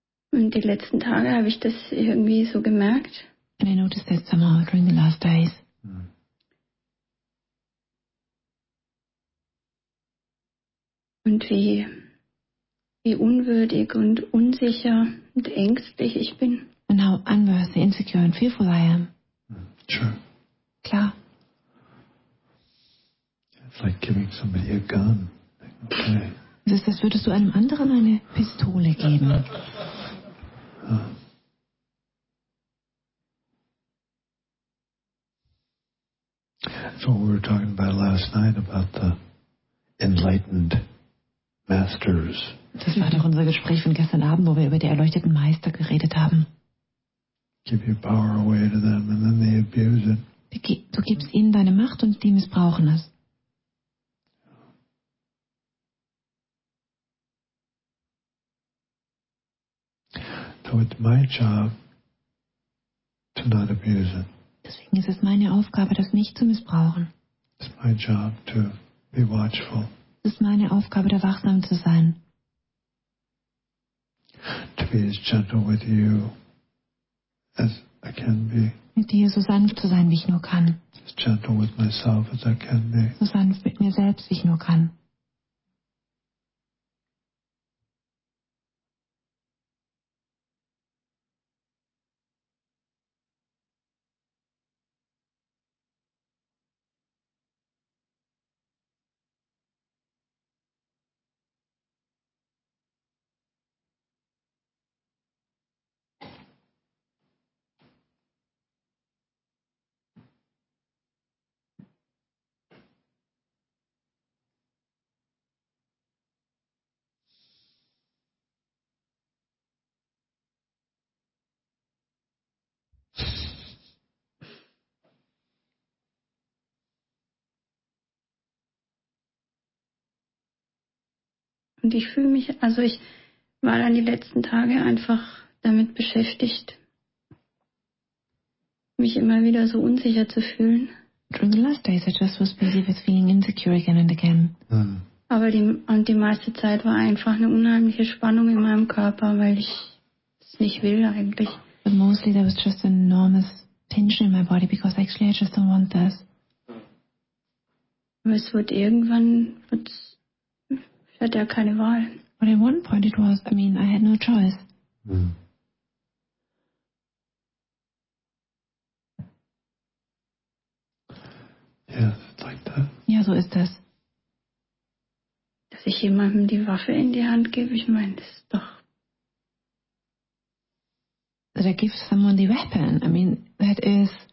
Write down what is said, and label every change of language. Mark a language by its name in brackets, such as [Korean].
[German] Und die letzten Tage habe ich das irgendwie so gemerkt. [English] And I noticed that somehow during the last days. [German] Und wie unwürdig und unsicher und ängstlich ich bin. [English] And how unworthy, insecure and fearful I am. Sure. [German] Klar. [English] It's like giving somebody a gun. Okay. [German] Das ist, als würdest du einem anderen eine Pistole geben. [English] So we were talking about last night about the enlightened masters. [German] Das war doch unser Gespräch von gestern Abend, wo wir über die erleuchteten Meister geredet haben. [English] Give your power away to them and then they abuse it. [German] Du gibst ihnen deine Macht und die missbrauchen es. [English] So it's my job to not abuse it. [German] Deswegen ist es meine Aufgabe, das nicht zu missbrauchen. [English] It's my job to be watchful. [German] Es ist meine Aufgabe, da wachsam zu sein. [English] To be as gentle with you as I can be. [German] Mit dir so sanft zu sein, wie ich nur kann. [English] As gentle with myself as I can be. [German] So sanft mit mir selbst, wie ich nur kann. Und ich fühle mich, also ich war dann die letzten Tage einfach damit beschäftigt, mich immer wieder so unsicher zu fühlen. [English] During the last days I just was busy with feeling insecure again and again. [German] Aber die meiste Zeit war einfach eine unheimliche Spannung in meinem Körper, weil ich es nicht will eigentlich. [English] But mostly there was just an enormous tension in my body because actually I just don't want this. [German] Aber es wird irgendwann... Ich hatte ja keine Wahl. [English] But at one point it was, I mean, I had no choice. Yeah, like that. [German] Ja, so ist das. Dass ich jemandem die Waffe in die Hand gebe, ich meine, das ist doch... [English] That I give someone the weapon, I mean, that is...